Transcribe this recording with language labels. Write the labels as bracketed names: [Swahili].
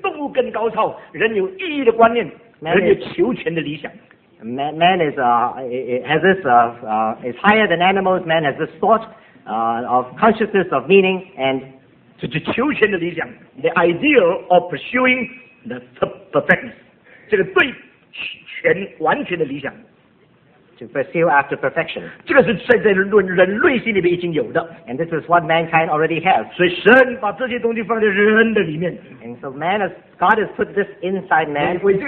[Chinese] 人之所以为人，因为人比所有的动物更高超，人有意义的观念， [English] Man [Chinese] 人有求全的理想。 [English] Man is higher than animals. Man has this thought of consciousness of meaning and to the [Chinese] 求全的理想, [English] the ideal of pursuing the perfectness. [Chinese] 这个最全完全的理想. [English] To pursue after perfection. [Chinese] 这个是在人类心里面已经有的。 [English] And this is what mankind already has. [Chinese] 所以神把这些东西放在人的里面。 [English] And so man is, God has put this inside man.